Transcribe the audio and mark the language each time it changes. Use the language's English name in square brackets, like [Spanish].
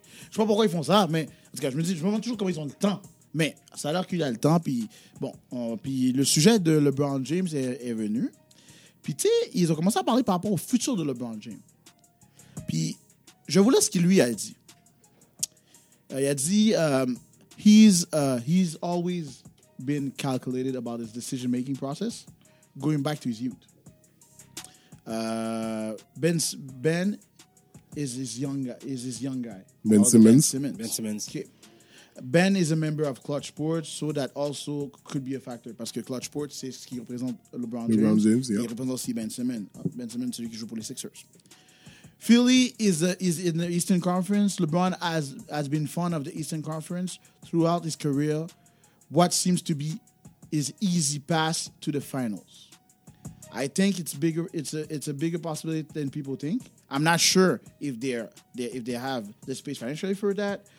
[French] Je sais pas pourquoi ils font ça, mais en tout cas, je me demande toujours comment ils ont le temps. Mais ça a l'air qu'il a le temps, puis bon, puis le sujet de LeBron James est venu. Puis tu sais, ils ont commencé à parler par rapport au futur de LeBron James. Puis je vous laisse ce qu'il lui a dit. Il a dit [English] he's always been calculated about his decision making process going back to his youth. Ben is his young guy. Ben Simmons. Okay. Ben is a member of Clutch Sports, so that also could be a factor. [French] Parce que Clutch Sports, c'est ce qui représente LeBron James. [English] Yeah. [French] Il représente aussi Ben Simmons. Ben Simmons, celui qui joue pour les Sixers. [English] Philly is in the Eastern Conference. LeBron has been fond of the Eastern Conference throughout his career. What seems to be his easy pass to the finals. I think it's a bigger possibility than people think. I'm not sure if they have the space financially for that.